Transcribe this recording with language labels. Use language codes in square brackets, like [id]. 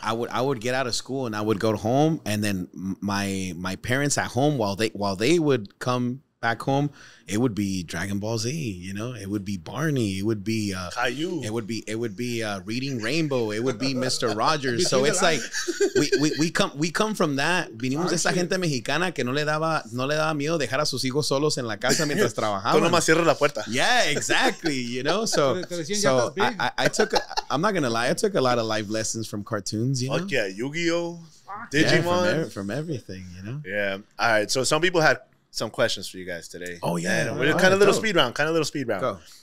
[en] I would get out of school and I would go home, and then my parents at home while they would come back home, it would be Dragon Ball Z, you know, it would be Barney, it would be Caillou, it would be Reading Rainbow, it would be Mr. Rogers. So it's like we come from that. [es] Vinimos de esa gente mexicana que no le daba miedo dejar a sus hijos solos en la casa mientras trabajaban. Tú nomás cierras la puerta. [en] Yeah, exactly. You know, so I took a lot of life lessons from cartoons, you know. Fuck yeah, Yu-Gi-Oh, Digimon, from everything, you know. Yeah. All right. So some people had some questions for you guys today. Oh, yeah. Kind of a little speed round. Go.